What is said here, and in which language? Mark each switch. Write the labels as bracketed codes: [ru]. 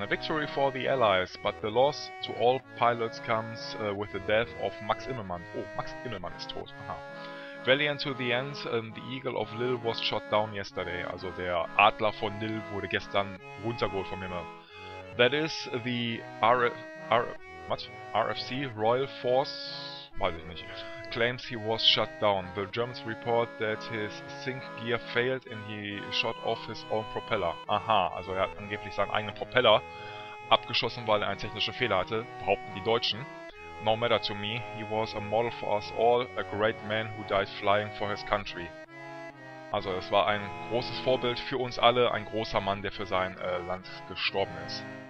[en] A victory for the Allies, but the loss to all pilots comes with the death of Max Immelmann. [de] Oh, Max Immelmann ist tot. Aha. [en] Valiant to the end, the Eagle of Lille was shot down yesterday. [de] Also der Adler von Lille wurde gestern runtergeholt vom Himmel. [en] That is the RFC, Royal Force, [de] weiß ich nicht, [en] claims he was shot down. The Germans report that his sink gear failed and he shot off his own propeller. [de] Aha, also er hat angeblich seinen eigenen Propeller abgeschossen, weil er einen technischen Fehler hatte, behaupten die Deutschen. [en] No matter to me, he was a model for us all, a great man who died flying for his country. [de] Also, es war ein großes Vorbild für uns alle, ein großer Mann, der für sein Land gestorben ist.